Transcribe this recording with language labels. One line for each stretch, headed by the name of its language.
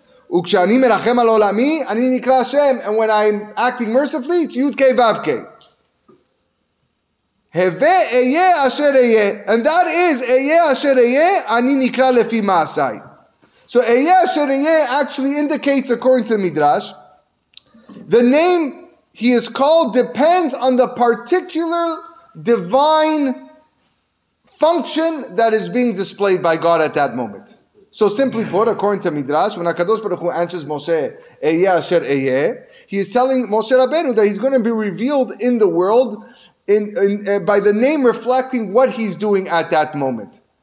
Hebrew: וכשאני מרחם על עולמי, אני נקרא השם.
English: And when I'm acting mercifully, it's Yud Kei Vav Kei.
Hebrew: הווה אהיה אשר אהיה.
English: And that is,
Hebrew: אהיה אשר אהיה, אני נקרא לפי מעשי.
English: So
Hebrew: אהיה אשר אהיה
English: actually indicates, according to the Midrash, the name he is called depends on the particular divine function that is being displayed by God at that moment. So simply put, according to Midrash, when HaKadosh Baruch Hu answers Moshe, Eyeh Asher Eyeh, he is telling Moshe Rabbeinu that he's going to be revealed in the world by the name reflecting what he's doing at that moment.